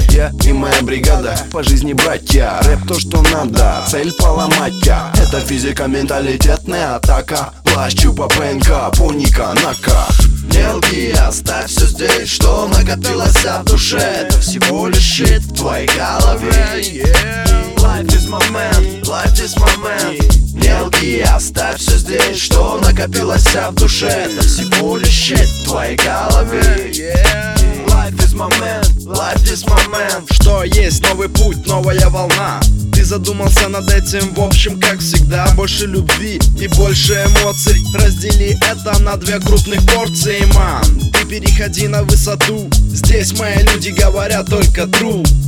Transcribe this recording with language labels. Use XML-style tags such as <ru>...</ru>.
<ru>Я и моя бригада, по жизни братья. Рэп то, что надо, цель поломать я. Это физика, менталитетная атака. Плащ, чупа, пенка, пуника, нака. Мелкие, оставь все здесь, что накопилось в душе. Это всего лишь щит в твоей голове.</ru> <en>Life is moment, life is moment.</en> <ru>Мелкие, оставь все здесь, что накопилось в душе. Это всего лишь щит в твоей голове.</ru> <en>Life is moment, life is moment.</en> <ru>Что есть, новый путь, новая волна. Ты задумался над этим, в общем, как всегда. Больше любви и больше эмоций. Раздели это на две крупных порции, ман. Ты переходи на высоту. Здесь мои люди говорят только true.</ru>